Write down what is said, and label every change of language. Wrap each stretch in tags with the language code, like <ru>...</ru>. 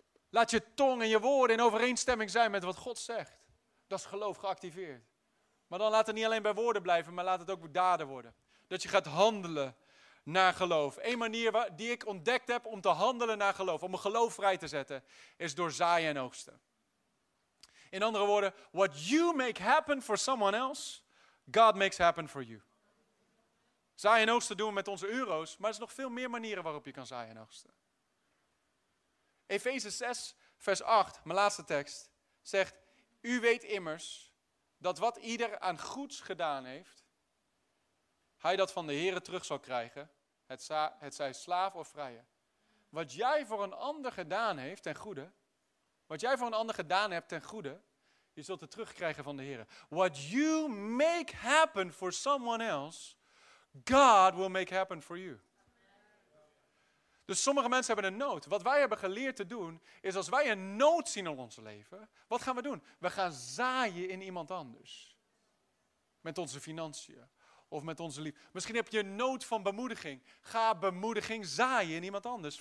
<nl>Laat je tong en je woorden in overeenstemming zijn met wat God zegt. Dat is geloof geactiveerd. Maar dan laat het niet alleen bij woorden blijven, maar laat het ook daden worden. dat je gaat handelen naar geloof. Eén manier die ik ontdekt heb om te handelen naar geloof, om mijn geloof vrij te zetten, is door zaaien en oogsten. In andere woorden,</nl> <en>what you make happen for someone else, God makes happen for you.</en> <nl>Zaaien en oogsten doen we met onze euro's, maar er zijn nog veel meer manieren waarop je kan zaaien en oogsten. Efeze 6, vers 8, mijn laatste tekst, zegt, u weet immers dat wat ieder aan goeds gedaan heeft, hij dat van de Heere terug zal krijgen, hetzij slaaf of vrije. Wat jij voor een ander gedaan heeft ten goede, wat jij voor een ander gedaan hebt ten goede, je zult het terugkrijgen van de Heere.</nl> <en>What you make happen for someone else, God will make happen for you.</en> <nl>Dus sommige mensen hebben een nood. Wat wij hebben geleerd te doen, is als wij een nood zien in ons leven, wat gaan we doen? We gaan zaaien in iemand anders. Met onze financiën. Of met onze liefde. Misschien heb je een nood van bemoediging. Ga bemoediging zaaien in iemand anders.</nl>